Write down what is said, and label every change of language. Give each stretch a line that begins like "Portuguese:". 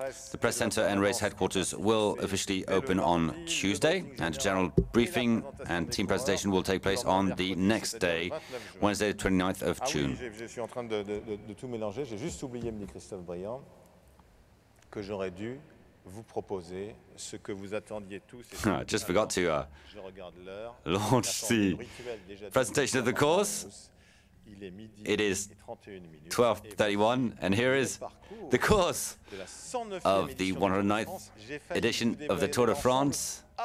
English: The press center and race headquarters will officially open on Tuesday, and a general briefing and team presentation will take place on the next day, Wednesday, the 29th of June.
French: Je suis en train de tout mélanger. J'ai juste oublié, me dit Christophe Briand, que j'aurais dû vous proposer ce que vous attendiez tous.
English: I just forgot to launch the presentation of the course. It is 12:31, and here is the course of the 109th edition of the Tour de France.